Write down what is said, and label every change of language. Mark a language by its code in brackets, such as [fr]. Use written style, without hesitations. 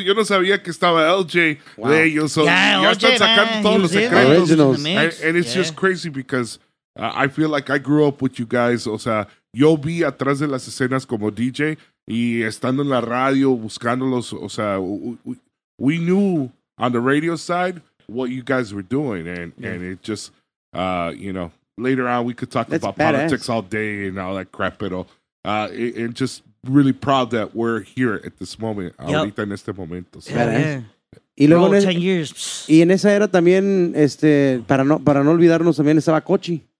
[es] Yo no sabía que estaba LJ de ellos. [en] So yeah, [es] ya están sacando todos los secretos. [en] Originals. And it's just crazy because I feel like I grew up with you guys. [es] O sea, yo vi atrás de las escenas como DJ y estando en la radio buscándolos. [en] O sea, we knew on the radio side what you guys were doing. And it just, you know, later on we could talk That's about badass. Politics all day and all that crap. But just really proud that we're here at this moment. [es] Yep. Ahorita en este momento. [en] So. Yeah, yeah. Y luego 10 years. [es] Y en esa era también, para no olvidarnos, también estaba Cochi.